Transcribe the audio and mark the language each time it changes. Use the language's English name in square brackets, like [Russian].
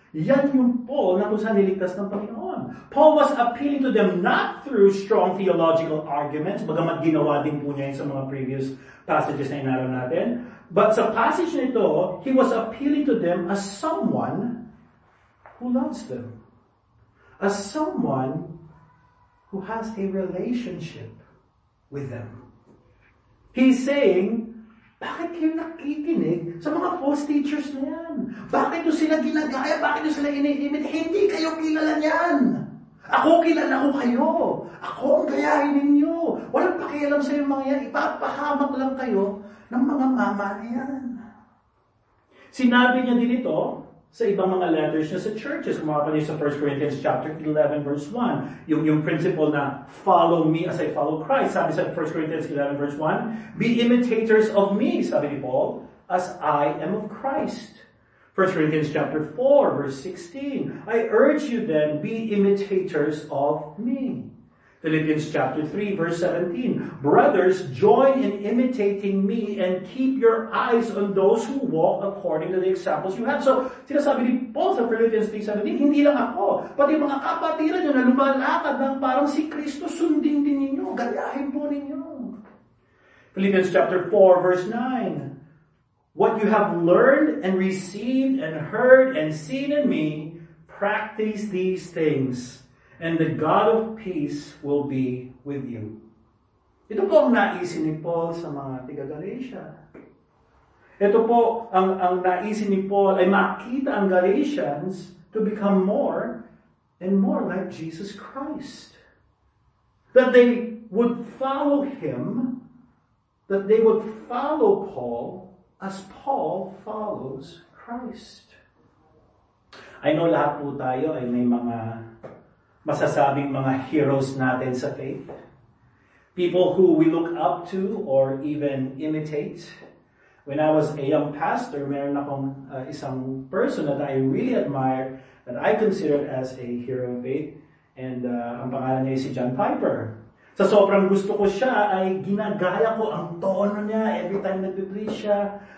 [Filipino] Yan yung Paul na kung saan niligtas ng Panginoon. [English] Paul was appealing to them not through strong theological arguments, [Filipino] bagamat ginawa din po niya yun sa mga [English] previous passages [Filipino] na inaaral natin, [English] but sa passage nito, he was appealing to them as someone who loves them. As someone who has a relationship with them. He's saying, [Filipino] bakit kayo nakikinig sa mga false teachers na yan? Bakit nyo sila ginagaya? Bakit nyo sila iniimit? Hindi kayo kilala niyan. Ako kilala ko kayo. Ako ang gayahin ninyo. Walang pakialam sa yung mga yan. Ipapahamak lang kayo ng mga mama niyan. Sinabi niya din ito sa ibang mga letters niya sa churches. Kumapanin sa 1 Corinthians chapter 11 verse 1. [English] Yung principle na follow me as I follow Christ. Sabi sa 1 Corinthians 11 verse 1, be imitators of me, [Filipino] sabi ni Paul, [English] as I am of Christ. 1 Corinthians chapter 4 verse 16, I urge you then, be imitators of me. Philippians chapter 3 verse 17, brothers, join in imitating me and keep your eyes on those who walk according to the examples you have. [Filipino] So, sinasabi ni Paul sa Philippians 3:17, hindi lang ako, pati mga kapatiran nyo na lumalakad ng parang si Kristo, sundin din ninyo, gayahin po ninyo. [English] Philippians chapter 4 verse 9, what you have learned and received and heard and seen in me, practice these things. And the God of peace will be with you. [Filipino] Ito po ang naisin ni Paul sa mga taga-Galatia. Ito po ang naisin ni Paul ay makita ang Galatians [English] to become more and more like Jesus Christ. That they would follow him, that they would follow Paul as Paul follows Christ. I know [Filipino] lahat po tayo ay may mga masasabing mga heroes natin sa faith. [English] People who we look up to or even imitate. When I was a young pastor, [Filipino] mayroon akong isang [English] person that I really admired, that I considered as a hero of faith. [Filipino] And ang pangalan niya ay si John Piper. Sa sobrang gusto ko siya, ay ginagaya ko ang tono niya [English] every time [Filipino] nagbe-preach siya.